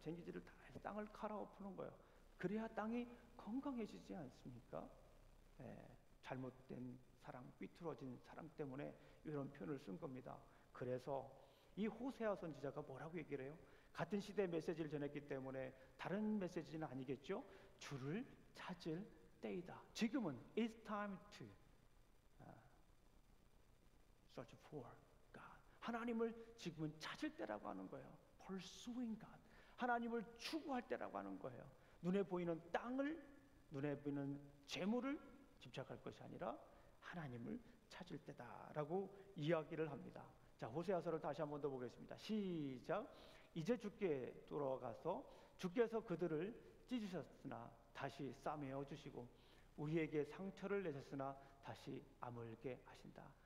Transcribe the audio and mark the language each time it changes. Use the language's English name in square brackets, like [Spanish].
[Korean] 쟁기질을 다 땅을 갈아엎는 거예요. 그래야 땅이 건강해지지 않습니까? 네, 잘못된 사랑, 삐뚤어진 사랑 때문에 이런 표현을 쓴 겁니다. 그래서 이 호세아 선지자가 뭐라고 얘기를 해요? 같은 시대의 메시지를 전했기 때문에 다른 메시지는 아니겠죠? 주를 찾을 때이다. 지금은 [English] It's time to search for God. [Korean] 하나님을 지금은 찾을 때라고 하는 거예요. [English] Pursuing God. [Korean] 하나님을 추구할 때라고 하는 거예요. 눈에 보이는 땅을, 눈에 보이는 재물을 집착할 것이 아니라 하나님을 찾을 때다라고 이야기를 합니다. 자, 호세아서를 다시 한 번 더 보겠습니다. 시작. 이제 주께 돌아가서 주께서 그들을 찢으셨으나 다시 싸매어 주시고 우리에게 상처를 내셨으나 다시 아물게 하신다.